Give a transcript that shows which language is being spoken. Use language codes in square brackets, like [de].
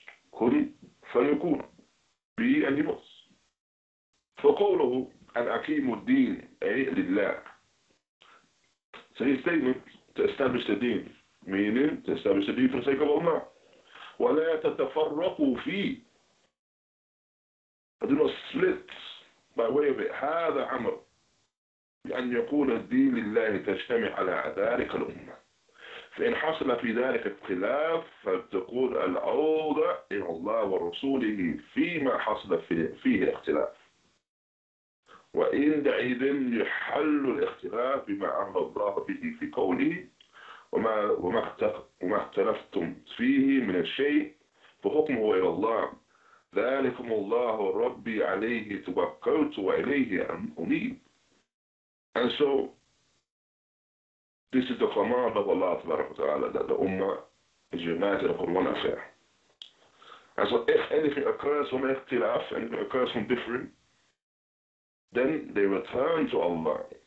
[ar] Kun falyakun, [en] be and he was. [ar] Faqawluhu an aqimu al-deen ay lillah. [en] So his statement to establish the deen, meaning to establish the deen for the sake of Allah. [ar] وَلَا تَتَفَرَّقُوا فِيهِ. [en] I do not split by way of it. [ar] هذا عمر بأن يقول الدين لله تجتمع على ذلك الأمة. فإن حصل في ذلك الخلاف فتقول العوضة إلى الله ورسوله فيما حصل فيه الاختلاف. وعندئذ يحل الاختلاف بما أمر الله به في قوله وما اختلفتم فيه من الشيء فحكمه إلى الله ذلكم الله ربي عليه توكلت وإليه أنيب. [en] And so this is the command of Allah تبارك وتعالى that the Ummah is united upon one affair. And so if anything occurs from اختلاف, anything occurs from different, then they return to Allah.